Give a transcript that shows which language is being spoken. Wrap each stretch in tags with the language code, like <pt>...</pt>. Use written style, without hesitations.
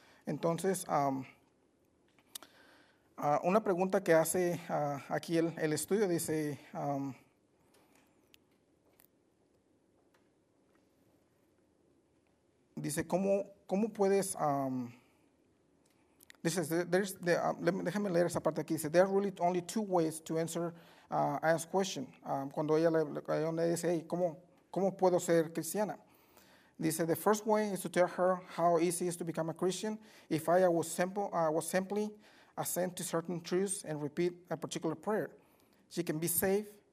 <es>Entonces, una pregunta que hace aquí el estudio dice, dice, ¿cómo puedes... déjame leer esa parte aquí.</es> <en>Dice, there are really only two ways to answer Anne's question.</en> <es>Cuando ella le dice, hey, ¿cómo puedo ser cristiana?</es> <en>Dice, the first way is to tell her how easy it is to become a Christian. If I was simply assent to certain truths and repeat a particular prayer, she can be saved.</en>